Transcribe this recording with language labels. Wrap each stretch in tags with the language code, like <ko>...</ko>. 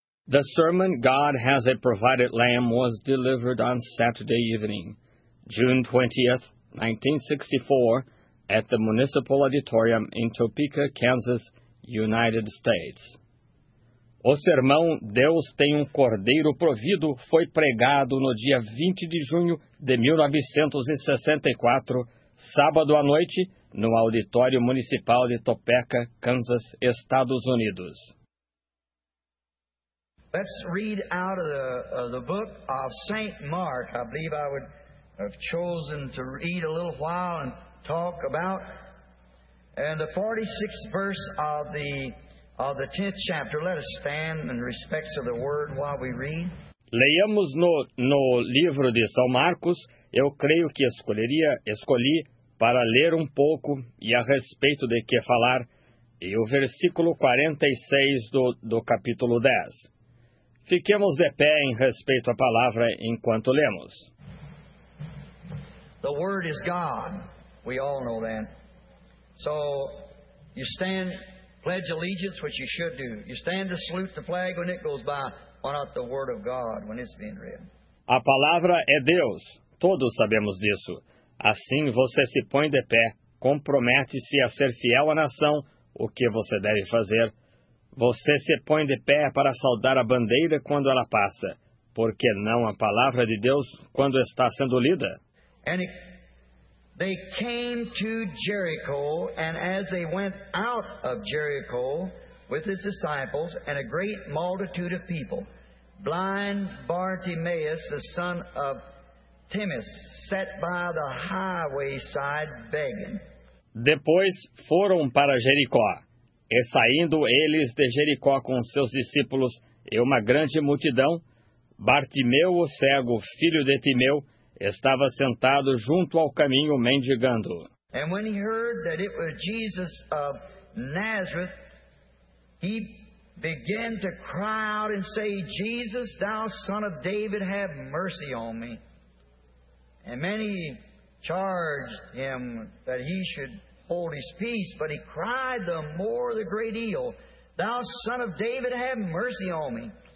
<en>The sermon, God Has a Provided Lamb, was delivered on Saturday evening, June 20, 1964, at the Municipal Auditorium in Topeka, Kansas, United States.</en> <pt>O sermão Deus tem Cordeiro Provido foi pregado no dia 20 de junho de 1964, sábado à noite, no Auditório Municipal de Topeka, Kansas, Estados Unidos.</pt> <en>Let's read out of the book of St. Mark. I believe I would have chosen to read a little while and talk about. And the 46th verse of the 10th chapter. Let us stand in respect of the word while we read.</en> <pt>Leiamos no livro de São Marcos. Eu creio que escolhi para ler um pouco e a respeito de que falar. E o versículo 46 do capítulo 10. Fiquemos de pé em respeito à palavra enquanto lemos.</pt> <en>The word is God. We all know that. So you stand, pledge allegiance, which you should do. You stand to salute the flag when it goes by. Why not the word of God when it's being read?</en> <pt>A palavra é Deus. Todos sabemos disso. Assim você se põe de pé, compromete-se a ser fiel à nação, o que você deve fazer. Você se põe de pé para saudar a bandeira quando ela passa, porque não a palavra de Deus quando está sendo lida?</pt> <en>And they came to Jericho, and as they went out of Jericho with his disciples and a great multitude of people, blind Bartimaeus, the son of Timaeus, sat by the highway side begging.</en> <pt>Depois foram para Jericó. E saindo eles de Jericó com seus discípulos e uma grande multidão, Bartimeu, o cego, filho de Timeu, estava sentado junto ao caminho, mendigando.</pt> <en>And when he heard that it was Jesus of Nazareth, he began to cry out and say, Jesus, thou son of David, have mercy on me. And many charged him that he should hold his peace, but he cried the more the great deal, thou son of David, have mercy on me.</en>